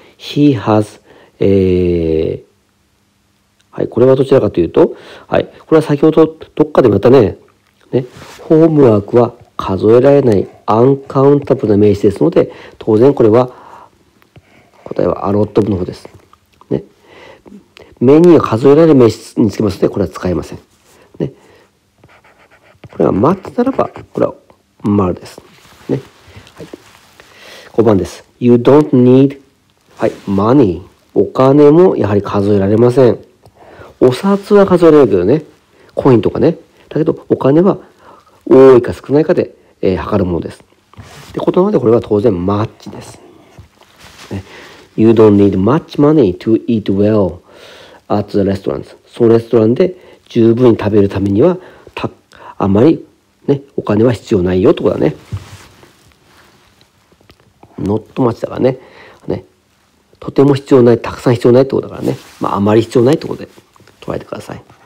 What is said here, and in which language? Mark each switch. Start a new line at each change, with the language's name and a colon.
English: He has、
Japanese: はい、これはどちらかというと、はい、これは先ほどどっかでまた ねホームワークは数えられないアンカウンタブルな名詞ですので、当然これは答えはアロットブの方です。ね。メニューを数えられる名詞につけますので、これは使えません。ね。これは待ってたらば、これは丸です。ね。はい。5番です。
English: You don't need、はい、money。
Japanese: お金もやはり数えられません。お札は数えられるけどね。コインとかね。だけど、お金は多いか少ないかで、測るものです。ってことなので、これは当然マッチです。ね。
English: You don't need much money to eat well at the restaurants.
Japanese: そのレストランで十分に食べるためには、あまり、ね、お金は必要ないよってことだね。
English: Not much
Japanese: だからね。ね。とても必要ない、たくさん必要ないってことだからね。まあ、あまり必要ないってことで捉えてください。